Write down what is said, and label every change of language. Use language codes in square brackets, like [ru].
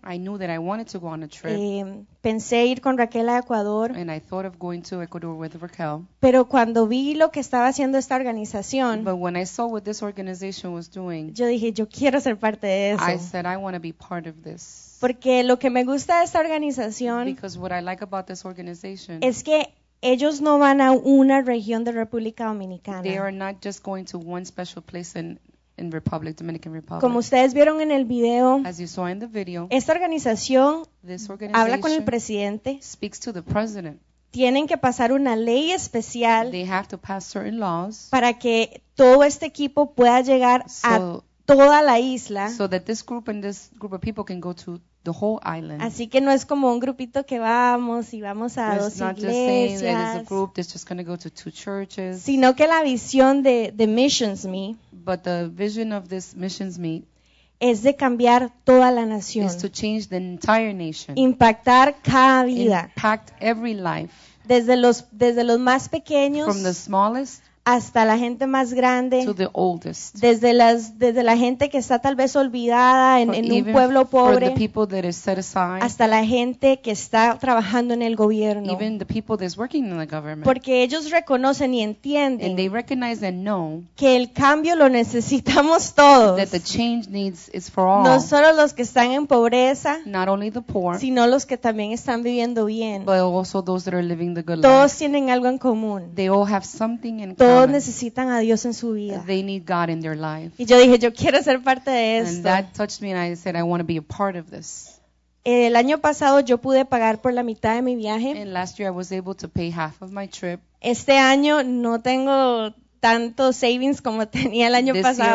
[en] I knew that I wanted to go on a trip. [es] Pensé ir con Raquel a Ecuador. [en] And I thought of going to Ecuador with Raquel. [es] Pero cuando vi lo que estaba haciendo esta organización, [en] but when I saw what this organization was doing, [es] yo dije, yo quiero ser parte de eso. [en] I said, I want to be part of this. [es] Porque lo que me gusta de esta organización, [en] because what I like about this organization, [es] es que ellos no van a una región de República Dominicana. [en] They are not just going to one special place in Republic, Dominican Republic. [es] Como ustedes vieron en el video, [en] as you saw in the video, [es] esta organización, [en] this organization, [es] habla con el presidente. [en] Speaks to the president. [es] Tienen que pasar una ley especial, [en] they have to pass certain laws, [es] para que todo este equipo pueda llegar a toda la isla. [en] So that this group and this group of people can go to the whole island. [es] Así que no es como un grupito que vamos y vamos a dos iglesias. [en] It's not just saying it is a group that's just going to go to two churches. [es] Sino que la visión de Missions Me, [en] but the vision of this missions meet, [es] es de cambiar toda la nación. [en] Is to change the entire nation. [es] Impactar cada vida. [en] Impact every life. [es] Desde los más pequeños. [en] From the smallest. [es] Hasta la gente más grande. [en] To the oldest. [es] Desde la gente que está tal vez olvidada en un pueblo pobre. [en] For the people that is set aside. [es] Hasta la gente que está trabajando en el gobierno. [en] Even the people that's working in the government. [es] Porque ellos reconocen y entienden. [en] And they recognize and know. [es] Que el cambio lo necesitamos todos. [en] That the change needs is for all. [es] No solo los que están en pobreza. [en] Not only the poor. [es] Sino los que también están viviendo bien. [en] But also those that are living the good life. [es] Todos tienen algo en común. [en] They all have something in common. [es] Todos necesitan a Dios en su vida. [en] They need God in their life. [es] Y yo dije, yo quiero ser parte de esto. [en] And that touched me, and I said, I want to be a part of this. [es] El año pasado yo pude pagar por la mitad de mi viaje. [en] And last year I was able to pay half of my trip. [es] Este año no tengo tanto savings como tenía el año pasado.